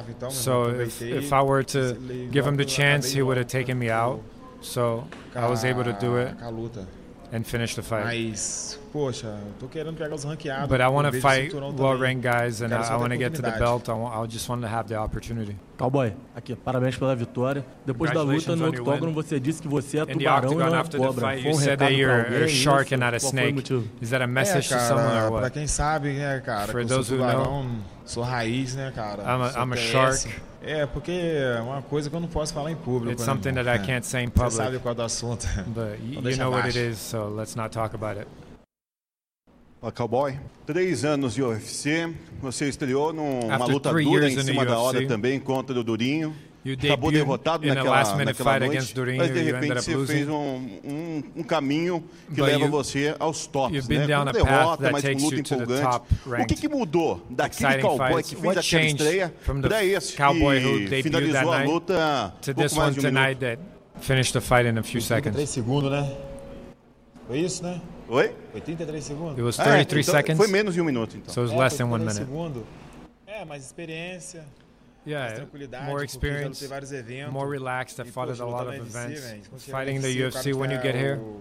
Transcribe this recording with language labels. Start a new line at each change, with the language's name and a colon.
English: So if I were to give him the chance, he would have taken me out. So I was able to do it and finish the fight.
Portuguese: poxa, tô querendo pegar os ranqueados.
English: But I want to fight low-ranked guys and I want to get to the belt. I just want to have the opportunity.
Portuguese: Cowboy, aqui, parabéns pela vitória. Depois da luta no octógono, você disse que você é tubarão e não cobra.
English: You said that you're a shark and not a snake. Is that a message to someone or what?
Portuguese: Pra quem sabe, né, cara, que eu sou tubarão, sou raiz, né, cara.
English: I'm a shark.
Portuguese: É, porque é uma coisa que eu não posso falar em público.
English: It's something that I can't say in public.
Portuguese: Você sabe qual é o assunto.
English: But you know what it is, so let's not talk about it.
Portuguese: A Cowboy, 3 anos de UFC, você estreou numa luta dura em cima da hora também contra o Durinho. Acabou derrotado naquela noite, mas de repente você fez um caminho que leva você aos tops, né? Com derrota, mas com luta empolgante. O que que mudou daquele cowboy que fez aquela estreia para esse que finalizou a luta pouco mais de 1 minuto?
English: That finished the fight in a few seconds.
Portuguese: 33 segundos, né? Foi isso, né? Oi? Foi 33 segundos.
English: It was 33 seconds.
Portuguese: Foi menos de 1 minuto, então.
English: So it was less than 1 minute.
Portuguese: É, mais experiência.
English: Yeah, more experience,
Portuguese: eventos,
English: more relaxed. I've fought at a lot of events. Fighting the UFC, when you get here,